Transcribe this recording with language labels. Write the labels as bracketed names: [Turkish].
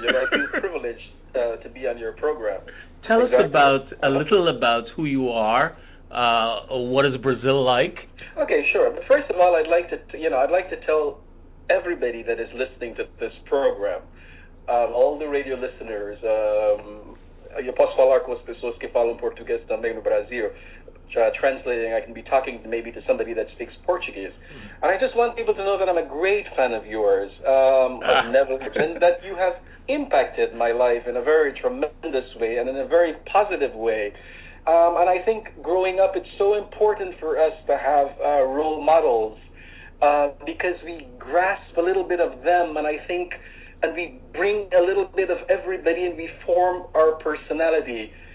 [English] You know, I feel privileged to be on your program. Tell us about a little about who you are. What is Brazil like? Okay, sure. But first of all, I'd like to tell everybody that is listening to this program, all the radio listeners. [Portuguese] Eu posso falar com as pessoas que falam português também no Brasil. [English] Translating, I can be talking maybe to somebody that speaks Portuguese. And I just want people to know that I'm a great fan of yours. I've never been, that you have impacted my life in a very tremendous way and in a very positive way. And I think growing up, it's so important for us to have role models because we grasp a little bit of them, and I think, and we bring a little bit of everybody, and we form our personality.